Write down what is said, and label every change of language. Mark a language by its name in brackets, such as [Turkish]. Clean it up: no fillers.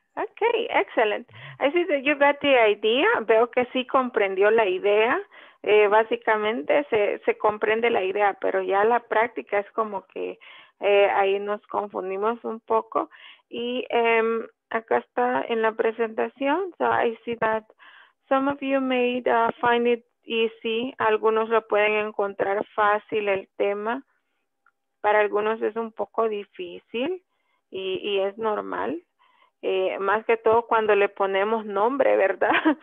[English] Okay, excellent. I see that you got the idea. [Spanish] Veo que sí comprendió la idea. Básicamente se comprende la idea, pero ya la práctica es como que ahí nos confundimos un poco. Y acá está en la presentación. [English] So I see that some of you may find it easy. [Spanish] Algunos lo pueden encontrar fácil el tema. Para algunos es un poco difícil. y es normal. Más que todo cuando le ponemos nombre, ¿verdad?